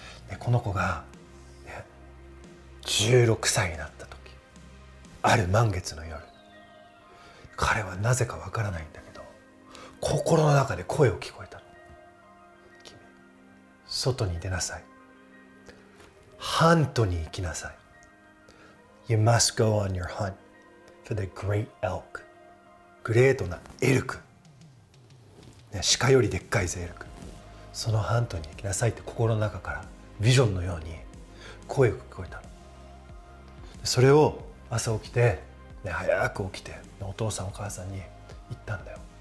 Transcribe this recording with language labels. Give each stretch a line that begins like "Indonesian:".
Japanese: でこの子が、ね、16歳になった時、ある満月の夜、彼はなぜかわからないんだけど心の中で声を聞こえたの。君、外に出なさい、ハントに行きなさい。
English: You must go on your hunt for the great elk.
Japanese: グレートなエルク、ね、鹿よりでっかいぜエルク、そのハントに行きなさいって心の中からビジョンのように声が聞こえたの。それを朝起きて、ね、早く起きてお父さんお母さんに言ったんだよ。